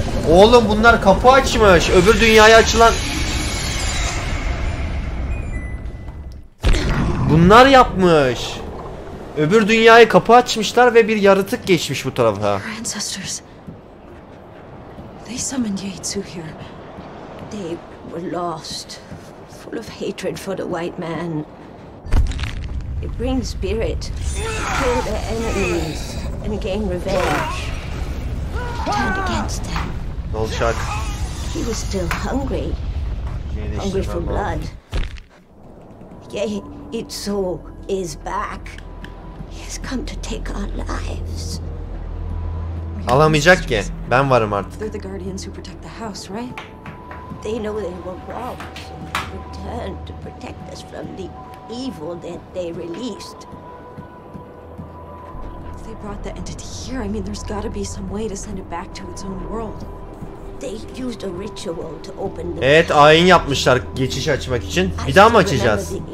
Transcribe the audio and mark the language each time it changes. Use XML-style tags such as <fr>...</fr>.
<tr>Oğlum bunlar kapı açmış. Öbür dünyaya açılan. Bunlar yapmış. Öbür dünyayı kapı açmışlar ve bir yaratık geçmiş bu tarafa.</tr> <en>They summoned Yaitsu here. They were lost, full of hatred for the white man. It brings spirit. Kill their enemies and gain revenge. Turned against them.</en> <tr>Olacak.</tr> <en>He was still hungry. Hungry for blood. Yeah, its soul is back. He has come to take our lives.</en> <tr>Alamayacak ki. Ben varım artık.</tr> <en>They're the guardians who protect the house, right? They know they were robbed. Return to protect us from the evil that they released. If they brought the entity here, I mean, there's got to be some way to send it back to its own world. They used a ritual to open the.</en> <tr>Evet, ayin yapmışlar geçiş açmak için. Bir daha mı açacağız?</tr>